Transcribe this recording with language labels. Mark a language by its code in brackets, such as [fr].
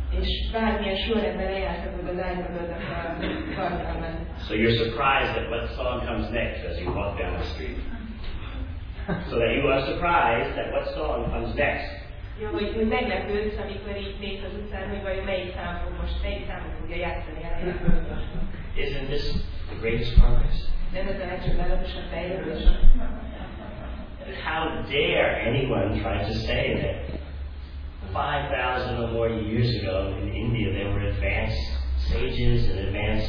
[hu] És bármilyen sorrendben lejártatod az iPododnak a tartalmát. [en] So you're surprised at what song comes next as you walk down the street. So that you are surprised at what song comes next. [hu] Jó, hogy meglepődsz, amikor így mész az utcán, hogy vajon melyik számot fogja játszani a lejártatot. [en] Isn't this the greatest promise? [hu] Nem ez a legcsodálatosabb fejlődés? [en] But how dare anyone try to say that 5,000 or more years ago in India there were advanced sages and advanced